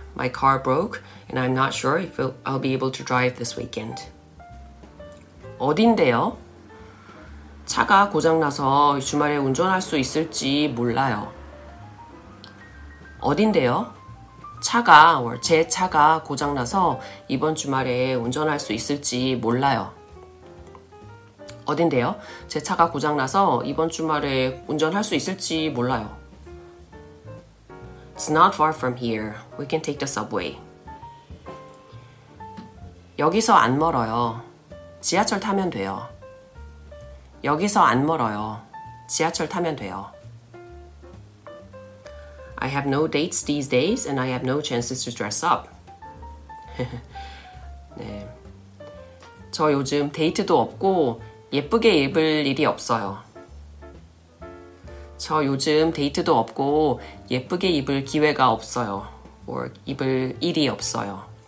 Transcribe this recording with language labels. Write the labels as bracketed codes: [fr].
[en] My car broke and I'm not sure if I'll be able to drive this weekend. [ko] 어딘데요? 차가 고장나서 주말에 운전할 수 있을지 몰라요. 어딘데요? 차가 제 차가 고장나서 이번 주말에 운전할 수 있을지 몰라요. 어딘데요? 제 차가 고장나서 이번 주말에 운전할 수 있을지 몰라요. [en] It's not far from here. We can take the subway. [ko] 여기서 안 멀어요. 지하철 타면 돼요. 여기서 안 멀어요. 지하철 타면 돼요. [en] I have no dates these days and I have no chances to dress up. [ko] 네. 저 요즘 데이트도 없고 예쁘게 입을 일이 없어요. 저 요즘 데이트도 없고 예쁘게 입을 기회가 없어요. [en] Or [ko] 입을 일이 없어요.